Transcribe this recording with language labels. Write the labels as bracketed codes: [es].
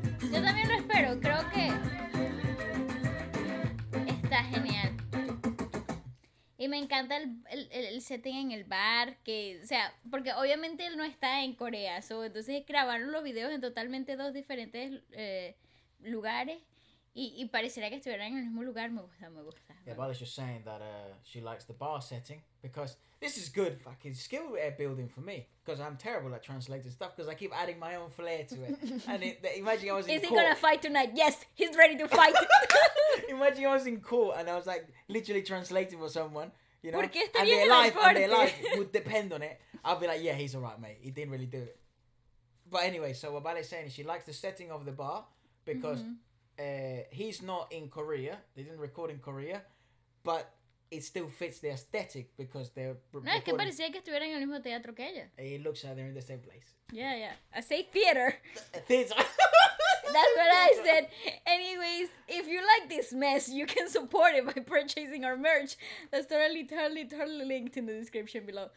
[es] Yo también lo espero, creo que está genial. Y me encanta el setting en el bar, que, o sea, porque obviamente él no está en Corea, [en] so, [es] entonces grabaron los videos en totalmente dos diferentes lugares y pareciera que estuvieran en el mismo lugar. Me gusta. [en] Yeah, Bala's just saying that she likes the bar setting because this is good fucking skill building for me, because I'm terrible at translating stuff because I keep adding my own flair to it. And imagine I was in court. Is he gonna fight tonight? Yes, he's ready to fight. Imagine I was in court and I was like literally translating for someone, you know, and their life would depend on it. I'd be like, yeah, he's alright, mate. He didn't really do it. But anyway, so what Bala's saying is she likes the setting of the bar because he's not in Korea. They didn't record in Korea, but it still fits the aesthetic because they're. [es] No, es que parecía que estuvieran en el mismo teatro que ella. [en] It looks like they're in the same place. Yeah, yeah. I say theater. Theater. That's what I said. Anyways, if you like this mess, you can support it by purchasing our merch. That's totally linked in the description below.